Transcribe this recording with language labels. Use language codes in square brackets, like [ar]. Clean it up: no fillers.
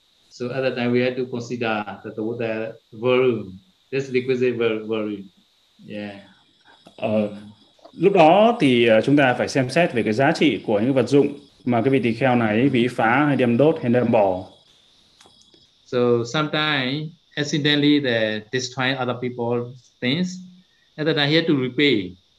[en] So at that time we had to consider that the volume, this requisite volume. Yeah. [vi] Lúc đó thì chúng ta phải xem xét về cái giá trị của những vật dụng mà cái vị tỳ kheo này bị phá hay đem đốt hay đem bỏ. [en] So sometimes accidentally they destroy other people's things, and then I have to repay.